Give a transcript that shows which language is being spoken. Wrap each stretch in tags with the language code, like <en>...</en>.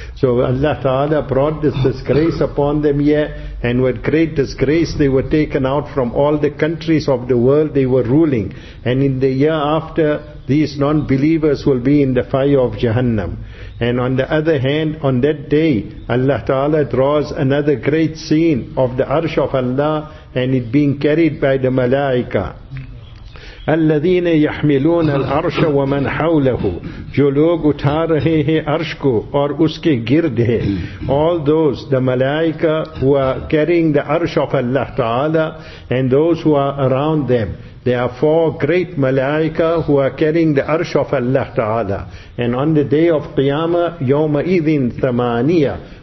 <en>So Allah Ta'ala brought this disgrace upon them here, and with great disgrace they were taken out from all the countries of the world they were ruling. And in the year after, these non-believers will be in the fire of Jahannam. And on the other hand, on that day, Allah Ta'ala draws another great scene of the Arsh of Allah and it being carried by the Malaika.</en> <ar>الذين يحملون العرش ومن حوله.</ar> <ur>جو لوگ اٹھا رہے ہیں عرش کو اور اس کے گرد ہے.</ur> <en>All those, the malaika who are carrying the arsh of Allah Ta'ala and those who are around them. There are four great malaika who are carrying the arsh of Allah Ta'ala. And on the day of Qiyamah,</en> <ar>يَوْمَ إِذٍ ثَمَانِيَةٌ.</ar>